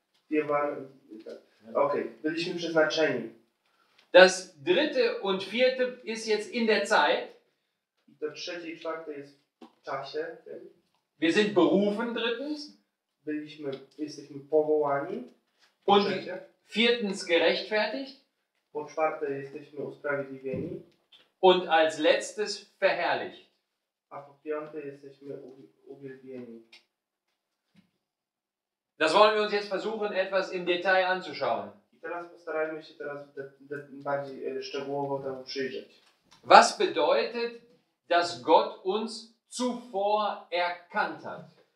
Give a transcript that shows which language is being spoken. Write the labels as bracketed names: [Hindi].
[German] Wir waren, [Polish] okay, byliśmy przeznaczeni. [German] Das dritte und vierte ist jetzt in der Zeit. [Polish] Das trzecie i czwarte jest w czasie. [German] Wir sind berufen, drittens. [Polish] Jesteśmy powołani. [German] Und viertens gerechtfertigt. [Polish] Po czwarte jesteśmy usprawiedliwieni. [German] Und als letztes verherrlicht. [Polish] A po piąte jesteśmy uwielbieni. [German] Das wollen wir uns jetzt versuchen, etwas im Detail anzuschauen. [Polish] Teraz postarajmy się teraz bardziej szczegółowo temu przyjrzeć. [German] Was bedeutet, dass Gott uns zuvor erkannt hat?